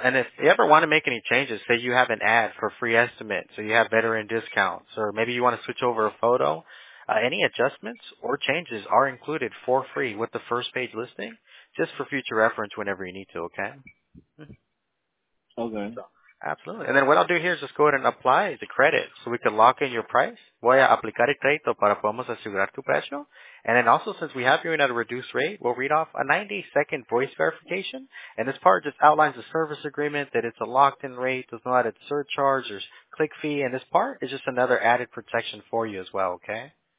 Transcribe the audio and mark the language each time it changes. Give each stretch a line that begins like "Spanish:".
English: And if you ever want to make any changes, say you have an ad for free estimate, so you have veteran discounts, or maybe you want to switch over a photo, any adjustments or changes are included for free with the first page listing, just for future reference whenever you need to, okay? Okay. Absolutely. And then what I'll do here is just go ahead and apply the credit so we can lock in your price.
Spanish: Voy a aplicar el crédito para podemos asegurar tu precio.
English: And then also, since we have you in at a reduced rate, we'll read off a 90-second voice verification. And this part just outlines the service agreement, that it's a locked-in rate, there's no added surcharge, there's click fee. And this part is just another added protection for you as well, okay?